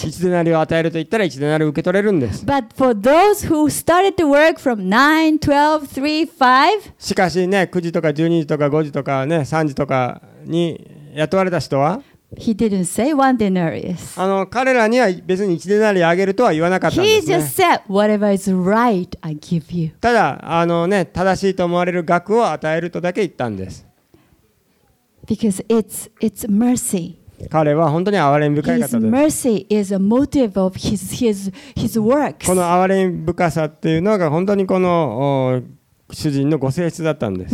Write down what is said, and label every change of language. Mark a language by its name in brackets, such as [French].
[Japanese] 1デナリを与えると言ったら1デナリを受け取れるんです。 [English] But for those who started to work from 9, 12, 3, 5, [Japanese] しかしね、9時とか12時とか5時とかね、3時とかに雇われた人は、 [English] He didn't say one denarius. [Japanese] あの、彼らには別に1デナリあげるとは言わなかったんですね。 [English] He just said, whatever is right, I give you. [Japanese] ただ、あのね、正しいと思われる額を与えるとだけ言ったんです。 [English] Because it's mercy. [Japanese] 彼は本当に憐れみ深い方です。 [English] His mercy is a motive of his works. [Japanese] この憐れみ深さっていうのが本当にこの主人のご性質だったんです。